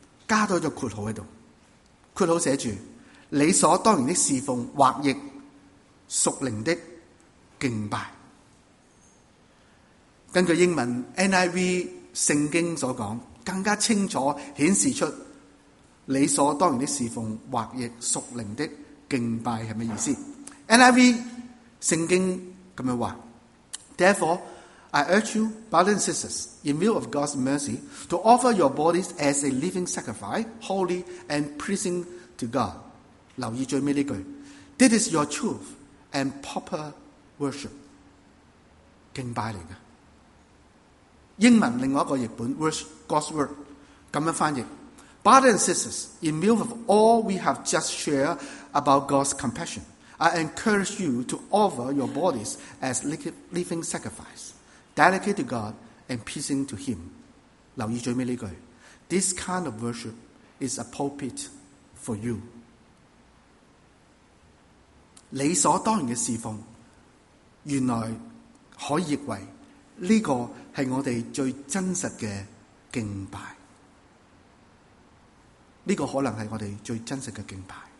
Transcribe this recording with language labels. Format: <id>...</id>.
<zh>加多了括号在这里，括号写着理所当然的侍奉或亦属灵的敬拜。根据英文 NIV 圣经所讲，更加清楚显示出理所当然的侍奉或亦属灵的敬拜是什么意思。</zh> <en>NIV</en> <zh>圣经这样说，</zh> <en>Therefore I urge you brothers and sisters in view of God's mercy to offer your bodies as a living sacrifice holy and pleasing to God。</en> <zh>留意最后这句，</zh> <en>This is your truth and proper worship，</en> <zh>敬拜来的。英文另外一个译本</zh> <en>God's word</en> <zh>这样翻译，</zh> <en>Brothers and sisters, in view of all we have just shared about God's compassion, I encourage you to offer your bodies as living sacrifice, dedicated to God and pleasing to Him.</en> <zh>留意最后这句，</zh> <en>This kind of worship is appropriate for you.</en> <zh>理所当然的侍奉原来可以译为这个是我们最真实的敬拜，这个可能是我们最真实的敬拜。</zh>